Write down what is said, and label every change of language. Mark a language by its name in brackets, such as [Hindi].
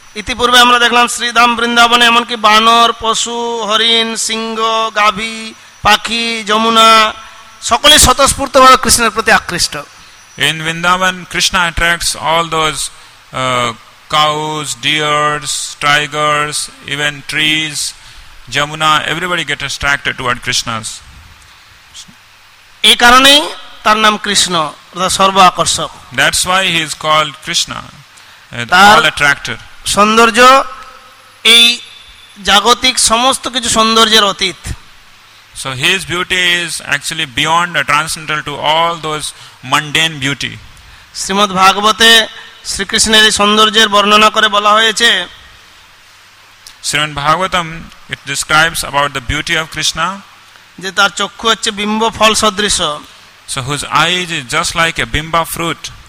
[Bangla] ইতিপূর্বে আমরা দেখলাম শ্রীধাম বৃন্দাবনে এমনকি বানর, পশু, হরিণ, সিংহ, গাভী, পাখি, যমুনা সকলে স্বতঃস্ফূর্তভাবে কৃষ্ণের প্রতি আকৃষ্ট। [English] In Vrindavan, Krishna attracts all those cows, deers, tigers, even trees, Jamuna, everybody get attracted toward Krishna's. [Bangla] এই কারণেই তার নাম কৃষ্ণ, সর্ব আকর্ষক। [English] That's why he is called Krishna, all attractor. [Bangla] সৌন্দর্য এই জাগতিক সমস্ত কিছু সৌন্দর্যের অতীত। [English] So his beauty is actually beyond, transcendental to all those mundane beauty. [Bangla] Shrimad ভাগবতে শ্রীকৃষ্ণের এই সৌন্দর্যের বর্ণনা করে বলা হয়েছে, [English] Srimad Bhagavatam it describes about the beauty of Krishna, [Bangla] যে তার চক্ষু হচ্ছে বিম্ব ফল সদৃশ, [English] so whose eye is just like a bimba fruit,